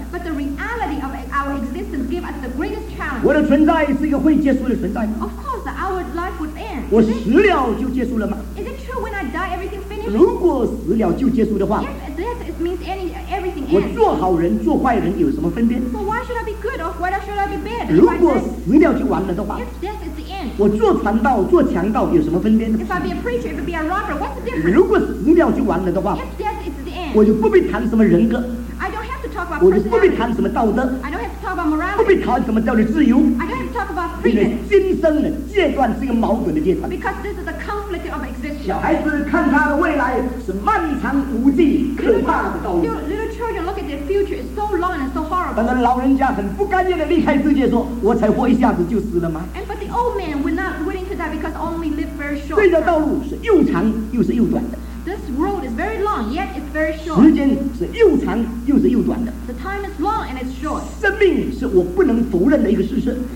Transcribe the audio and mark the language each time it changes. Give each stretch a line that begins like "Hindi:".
English: But the reality of our existence gives us the greatest challenge.
Chinese: 我的存在是一个会结束的存在。
English: Of course, our life would end.
Chinese: 我死了就结束了吗？
English: Is it true when I die, everything finishes?
Chinese: 如果死了就结束的话，
English: Yes, death means everything ends.
Chinese: 我做好人做坏人有什么分别？
English: So why should I be good or why should I be bad?
Chinese: 如果死了就完了的话，
English: If death is the end,
Chinese: 我做传道做强盗有什么分别呢？
English: If I be a preacher, if I be a robber, what's the difference?
Chinese: 如果死了就完了的话，
English: If death is the end,
Chinese: 我就不必谈什么人格，
English: I don't have to talk about personality.
Chinese: 我就不必谈什么道德，
English: I don't have to talk about morality.
Chinese: 不必谈什么叫做自由，
English: I don't have to talk about freedom.
Chinese: 新生的阶段是一个矛盾的阶段
English: Because this is a conflict of existence
Chinese: 小孩子看他的未来是漫长无际可怕的道路
English: little children look at their future is so long and so horrible
Chinese: 但是老人家很不甘愿地离开世界说我才活一下子就死了吗
English: But the old man would not willing to die because only lived very short
Chinese: 这条道路是又长又是又短的
English: This road is very long, yet it's very short.
Chinese: 时间是又长又是又短的。
English: The time is long and it's short.
Chinese: 生命是我不能否认的一个事实。